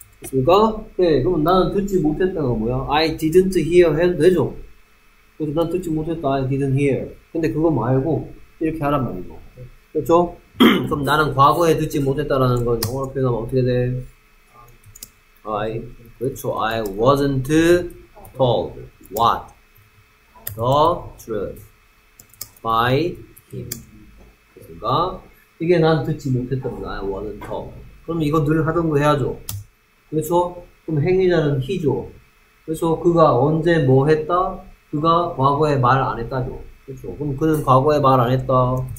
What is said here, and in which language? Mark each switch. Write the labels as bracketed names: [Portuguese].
[Korean] 그니까? 네, 그럼 나는 듣지 못했다가 뭐야? [English] I didn't hear [Korean] 해도 되죠? 그래서 난 듣지 못했다. I didn't hear. 근데 그거 말고, 이렇게 하란 말이고. 그렇죠? 그럼 나는 과거에 듣지 못했다라는 건 영어로 표현하면 어떻게 돼? I, 그렇죠. [English] I wasn't told what the truth by him. [Korean] 그니까? 이게 난 듣지 못했던 거야. [English] I wasn't told. [Korean] 그럼 이거 늘 하던 거 해야죠. 그렇죠? 그럼 행위자는 he죠. 그래서 그가 언제 뭐 했다? 그가 과거에 말 안 했다죠. 그렇죠? 그럼 그는 과거에 말 안 했다.